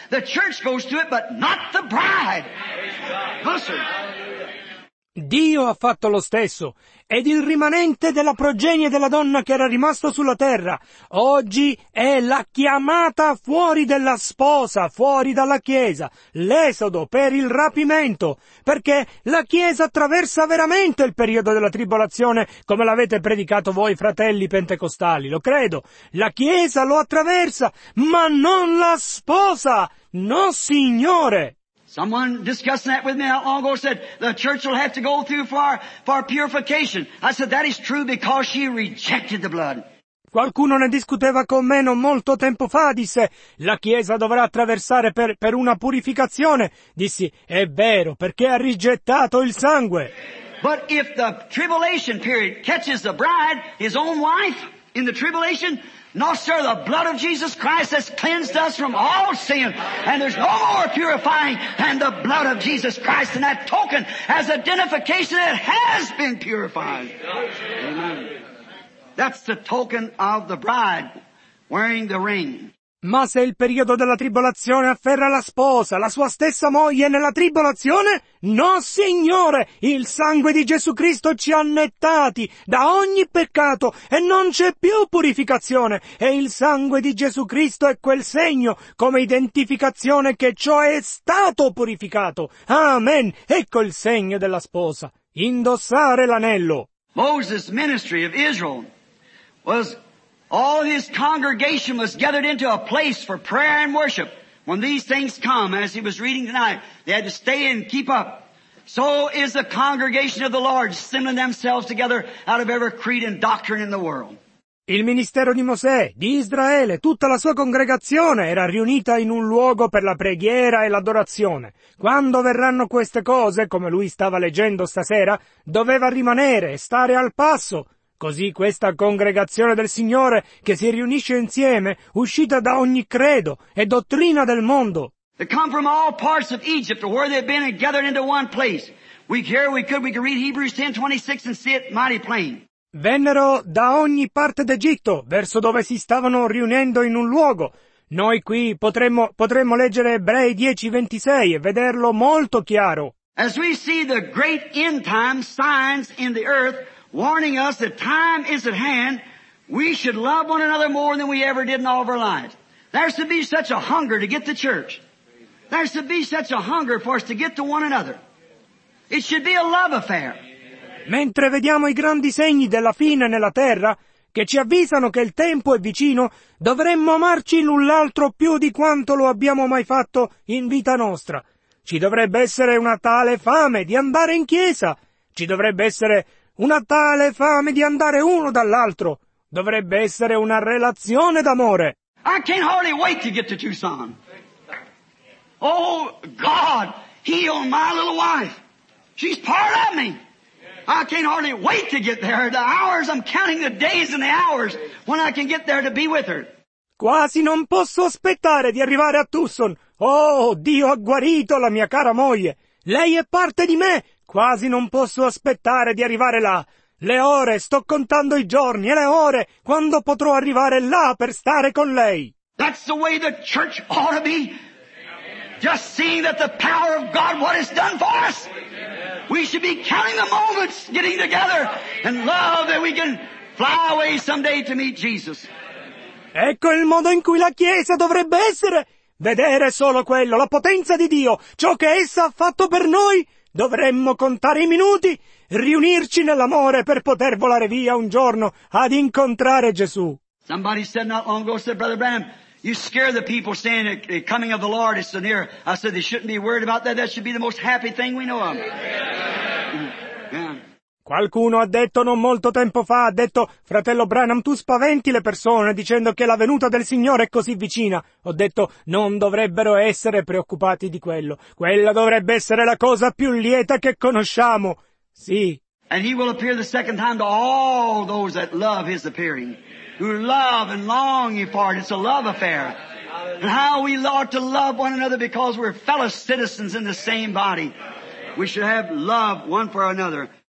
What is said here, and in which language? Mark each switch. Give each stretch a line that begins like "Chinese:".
English: The church goes through it, but not the bride. Listen.
Italian: Dio ha fatto lo stesso, ed il rimanente della progenie della donna che era rimasto sulla terra, oggi è la chiamata fuori della sposa, fuori dalla Chiesa, l'esodo per il rapimento, perché la Chiesa attraversa veramente il periodo della tribolazione, come l'avete predicato voi, fratelli pentecostali, lo credo. La Chiesa lo attraversa, ma non la sposa, no signore!
English: Someone discussing that with me not long ago said, the church will have to go through for purification. I said, that is true because she rejected the blood.
Italian: Qualcuno ne discuteva con me non molto tempo fa, disse, la Chiesa dovrà attraversare per una purificazione. Dissi, è vero, perché ha rigettato il sangue.
English: But if the tribulation period catches the bride, his own wife, in the tribulation, no, sir, the blood of Jesus Christ has cleansed us from all sin, and there's no more purifying than the blood of Jesus Christ, and that token has identification that has been purified. Amen. That's the token of the bride wearing the ring.
Italian: Ma se il periodo della tribolazione afferra la sposa, la sua stessa moglie nella tribolazione? No, Signore! Il sangue di Gesù Cristo ci ha annettati da ogni peccato e non c'è più purificazione. E il sangue di Gesù Cristo è quel segno come identificazione che ciò è stato purificato. Amen! Ecco il segno della sposa. Indossare l'anello.
English: Moses' ministry of Israel was... All his congregation was gathered into a place for prayer and worship. When these things come, as he was reading tonight, they had to stay and keep up. So is the congregation of the Lord assembling themselves together out of every creed and doctrine in the world.
Italian: Il ministero di Mosè, di Israele, tutta la sua congregazione era riunita in un luogo per la preghiera e l'adorazione. Quando verranno queste cose, come lui stava leggendo stasera, doveva rimanere e stare al passo. Così questa congregazione del Signore che si riunisce insieme, uscita da ogni credo e dottrina del mondo.
English: They come from all parts of Egypt to where they've been and gathered into one place. We could read Hebrews 10:26 and see it mighty plain.
Italian: Vennero da ogni parte d'Egitto, verso dove si stavano riunendo in un luogo. Noi qui potremmo leggere Ebrei 10:26 e vederlo molto chiaro.
English: As we see the great end time signs in the earth, warning us that time is at hand, we should love one another more than we ever did in all of our lives. There should be such a hunger to get to church. There should be such a hunger for us to get to one another. It should be a love affair.
Italian: Mentre vediamo i grandi segni della fine nella terra, che ci avvisano che il tempo è vicino, dovremmo amarci l'un l'altro più di quanto lo abbiamo mai fatto in vita nostra. Ci dovrebbe essere una tale fame di andare in chiesa. Ci dovrebbe essere una tale fame di andare uno dall'altro. Dovrebbe essere una relazione d'amore.
English: I can't hardly wait to get to Tucson. Oh, God, heal my little wife. She's part of me. I can't hardly wait to get there. The hours, I'm counting the days and the hours when I can get there to be with her.
Italian: Quasi non posso aspettare di arrivare a Tucson. Oh, Dio ha guarito la mia cara moglie. Lei è parte di me. Quasi non posso aspettare di arrivare là. Le ore, sto contando i giorni e le ore, quando potrò arrivare là per stare con lei.
English: That's the way the church ought to be. Just seeing that the power of God, what it's done for us. We should be counting the moments, getting together, and love that we can fly away someday to meet Jesus.
Italian: Ecco il modo in cui la Chiesa dovrebbe essere. Vedere solo quello, la potenza di Dio, ciò che essa ha fatto per noi. Dovremmo contare i minuti, riunirci nell'amore per poter volare via un giorno ad incontrare Gesù.
English: Somebody said not long ago, said Brother Branham, you scare the people saying the coming of the Lord is so near. I said they shouldn't be worried about that. That should be the most happy thing we know of. Yeah.
Italian: Qualcuno ha detto non molto tempo fa, ha detto, fratello Branham, tu spaventi le persone dicendo che la venuta del Signore è così vicina. Ho detto, non dovrebbero essere preoccupati di quello. Quella dovrebbe essere la cosa più lieta che conosciamo. Sì.
English: And he will appear the second time to all those that love his appearing, who love and long for it. It's a love affair. And how we ought to love one another because we're fellow citizens in the same body. We should have love one for another.